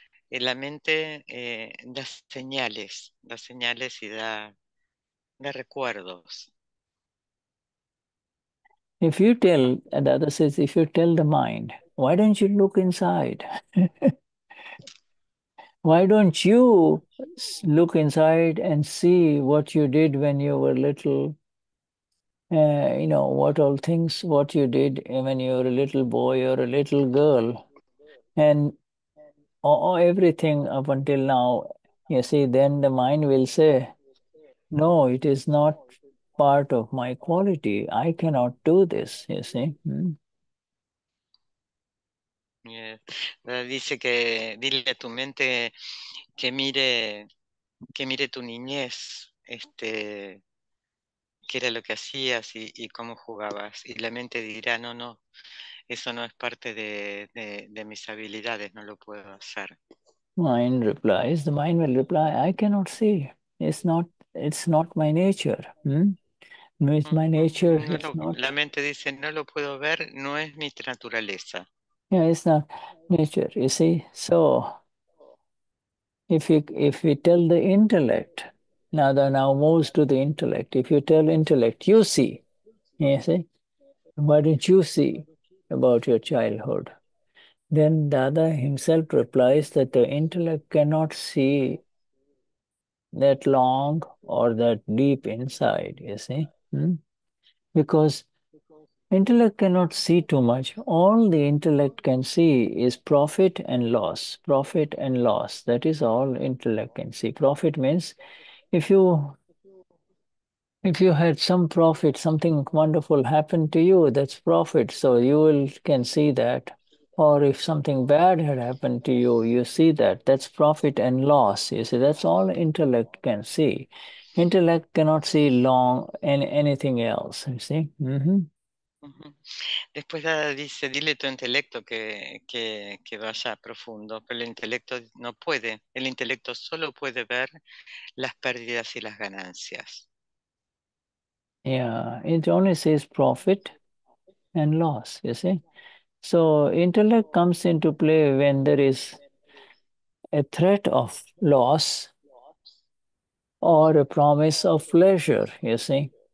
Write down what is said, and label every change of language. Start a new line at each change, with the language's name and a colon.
Spanish: La mente da señales y da recuerdos.
English: If you tell, and Dada says, if you tell the mind, why don't you look inside? Why don't you look inside and see what you did when you were little? You know, what all things, what you did when you were a little boy or a little girl. And all, everything up until now, you see, then the mind will say, no, it is not part of my quality. I cannot do this, you see. Yeah.
Spanish: Dice que dile a tu mente que mire tu niñez, este, qué era lo que hacías y cómo jugabas. Y la mente dirá, no, no, eso no es parte de mis habilidades, no lo puedo hacer.
English: Mind replies, the mind will reply, I cannot see. It's not my nature. No is my nature. No, it's not.
Spanish: La mente dice, no lo puedo ver, no es mi naturaleza.
English: Yeah, it's not nature, you see. So, if we tell the intellect, Nada now moves to the intellect. If you tell intellect, you see, you see. Why don't you see about your childhood? Then Dada himself replies that the intellect cannot see that long or that deep inside, you see. Because intellect cannot see too much. All the intellect can see is profit and loss. Profit and loss. That is all intellect can see. Profit means if you had some profit, something wonderful happened to you, that's profit. So you will can see that. Or if something bad had happened to you, you see that. That's profit and loss. You see, that's all intellect can see. Intellect cannot see long and anything else. You see.
Spanish: Después dice, dile tu intelecto que vaya profundo, pero el intelecto no puede. El intelecto solo puede ver las pérdidas y las ganancias.
English: Yeah, it only sees profit and loss. You see. So intellect comes into play when there is a threat of loss or a promise of pleasure, you see.